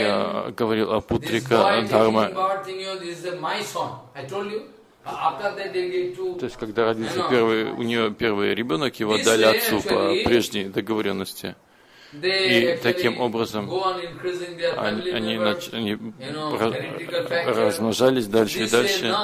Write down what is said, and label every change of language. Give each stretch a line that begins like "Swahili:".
Russian: я говорил о Путрика Дхарма.
English: This boy taking birth in you, this is my son. I told you.
Russian: То есть, когда родился первый, у нее первый ребенок, его дали отцу по прежней договоренности. И таким образом они размножались дальше и дальше.